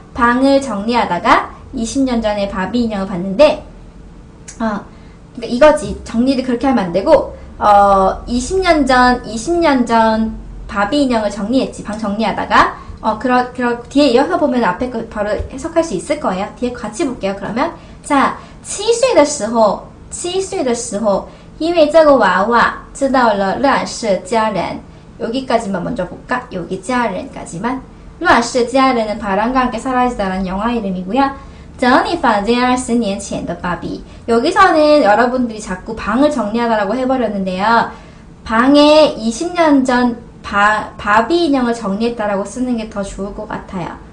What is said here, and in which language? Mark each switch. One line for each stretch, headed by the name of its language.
Korean: 방을 정리하다가 20년 전에 바비 인형을 봤는데, 이거지. 정리를 그렇게 하면 안 되고, 20년 전 바비 인형을 정리했지. 방 정리하다가. 뒤에 이어서 보면 앞에 거 바로 해석할 수 있을 거예요. 뒤에 같이 볼게요, 그러면. 자,
Chinese: 7岁的时候, 因为这个娃娃知道了乱世佳人.
Korean: 여기까지만 먼저 볼까? 여기 佳人까지만. 乱世佳人은 바람과 함께 사라지다라는 영화 이름이고요.
Chinese: 整理房间20年前的芭比.
Korean: 여기서는 여러분들이 자꾸 방을 정리하다라고 해버렸는데요. 방에 20년 전 바비 인형을 정리했다라고 쓰는 게 더 좋을 것 같아요.